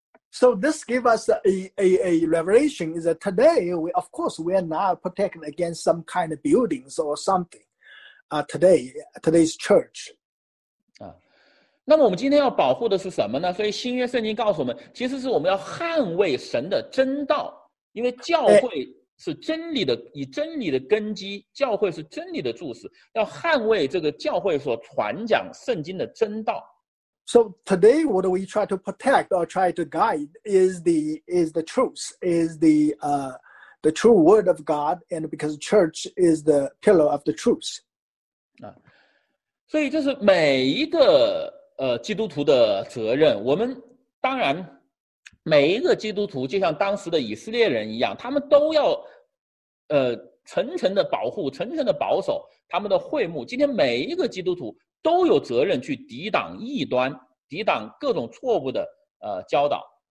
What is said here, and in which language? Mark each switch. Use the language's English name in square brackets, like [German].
[English] So this gives us a revelation is that today, we are not protecting against some kind of buildings or something. Today's church. [Chinese] 那么我们今天要保护的是什么呢？所以新约圣经告诉我们，其实是我们要捍卫神的真道，因为教会是真理的，以真理的根基，教会是真理的柱石，要捍卫这个教会所传讲圣经的真道。 [English] So today, what we try to protect or try to guide is the truth, is the true word of God, and because church is the pillar of the truth. [Chinese] 所以这是每一个基督徒的责任。我们当然每一个基督徒就像当时的以色列人一样，他们都要层层的保护，层层的保守他们的会幕。今天每一个基督徒都有责任去抵挡异端，抵挡各种错误的教导。